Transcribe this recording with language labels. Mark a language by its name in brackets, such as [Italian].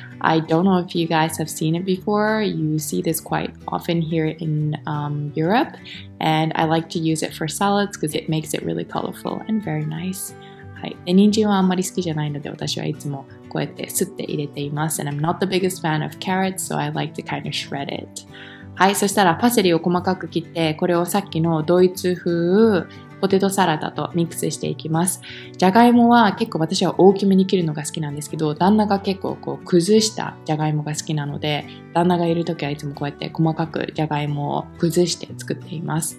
[English] I don't know if you guys have seen it before. You see this quite often here in Europe. And I like to use it for salads because it makes it really colorful and very nice. [Japanese] はい、ニンジンはあんまり好きじゃないので私はいつもこうやってすって入れています。 [English] And I'm not the biggest fan of carrots, so I like to kind of shred it. [Japanese] はい、そしたらパセリを細かく切って、これをさっきのドイツ風ポテトサラダとミックスしていきます。じゃがいもは結構私は大きめに切るのが好きなんですけど、旦那が結構こう崩したじゃがいもが好きなので、旦那がいるときはいつもこうやって細かくじゃがいもを崩して作っています。